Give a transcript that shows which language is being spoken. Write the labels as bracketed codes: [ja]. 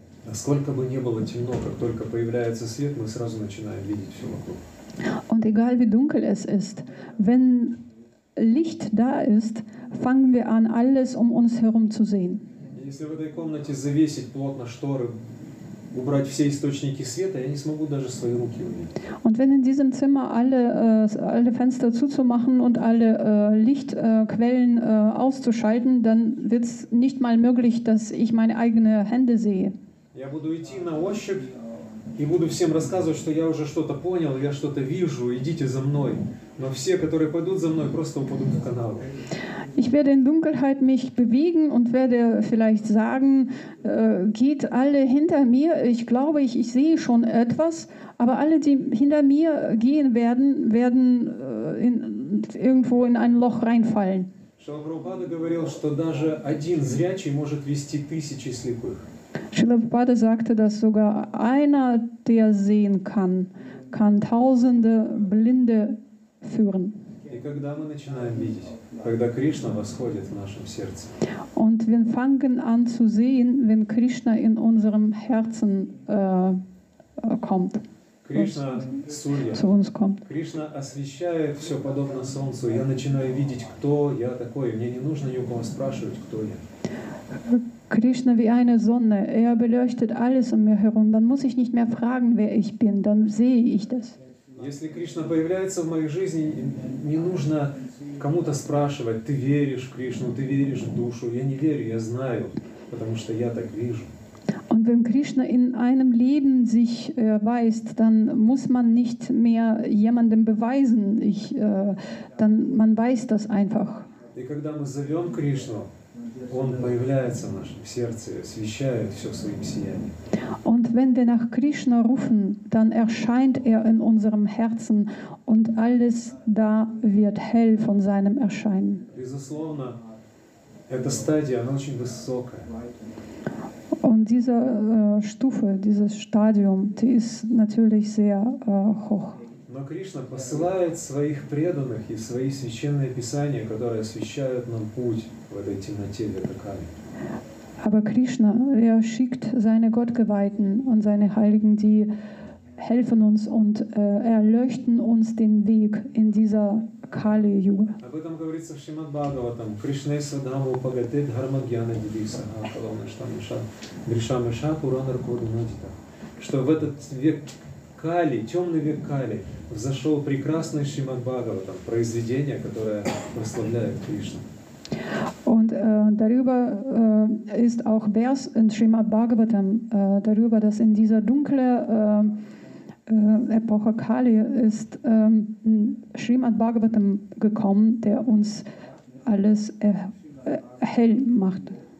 [ru] Сколько бы ни было темно, как только появляется свет, мы сразу начинаем видеть все вокруг. [de] Und egal wie dunkel es ist, wenn Licht da ist, fangen wir an, alles um uns herum zu sehen. [ru] Если в этой комнате завесить плотно шторы, убрать все источники света, я не смогу даже свои руки увидеть. [de] Und wenn in diesem Zimmer alle Fenster zuzumachen und alle Lichtquellen auszuschalten, dann wird es nicht mal möglich, dass ich meine eigene Hände sehe. [ru] Я буду идти на ощупь и буду всем рассказывать, что я уже что-то понял, я что-то вижу, идите за мной. Но все, которые пойдут за мной, просто упадут в канавы. [de] Ich werde in Dunkelheit mich bewegen und werde vielleicht sagen, geht alle hinter mir, ich glaube, ich sehe schon etwas, aber alle, die hinter mir gehen werden, werden irgendwo in ein Loch reinfallen. [ru] Шрила Прабхупада говорил, что даже один зрячий может вести тысячи слепых. [de] Шрила Прабхупада sagte, dass sogar einer, der sehen kann, kann tausende Blinde führen. [ru] И когда мы начинаем видеть, когда Кришна восходит в нашем сердце. [de] Und wir fangen an zu sehen, wenn Krishna in unserem Herzen kommt. Krishna Surya. Zu uns kommt. [ru] Krishna освещает все подобно солнцу. Я начинаю видеть, кто я такой. Мне не нужно ни у кого спрашивать, кто я. [de] Krishna wie eine Sonne. Er beleuchtet alles um mich herum. Dann muss ich nicht mehr fragen, wer ich bin. Dann sehe ich das. [ru] Если Кришна появляется в моей жизни, не нужно кому-то спрашивать, ты веришь в Кришну, ты веришь в душу. Я не верю, я знаю, потому что я так вижу. [de] Und wenn Krishna in einem Leben sich weist, dann muss man nicht mehr jemandem beweisen. Dann man weiß das einfach. [ru] И когда мы зовем Кришну, он появляется в нашем сердце, освещает все своим сиянием. [de] Und wenn wir nach Krishna rufen, dann erscheint in unserem Herzen und alles da wird hell von seinem Erscheinen. [ru] Безусловно, эта стадия, она очень высокая. [de] Und diese Stufe, dieses Stadium, die ist natürlich sehr hoch. [ru] Но Кришна посылает своих преданных и свои священные писания, которые освещают нам путь в этой темноте Ветакали. [de] Aber Krishna, er schickt seine Gottgeweihten und seine Heiligen, die helfen uns und erleuchten uns den Weg in dieser Kali-Yuga. [ru] Об этом говорится в Шримад-Бхагаватам. [sa] Кришна Садаму Пагате Дхарма Гьяна Дивиса Ахалона Штамиша Гришамиша Пуранар Кодунадита. [ru] Что в этот век Кали, темный век Кали, взошел прекрасный Шримад-Бхагаватам, произведение, которое прославляет Кришну. [de] Und darüber ist auch Vers in Srimad Bhagavatam darüber, dass in dieser dunklen Epoche Kali ist Srimad Bhagavatam gekommen, der uns alles hell macht.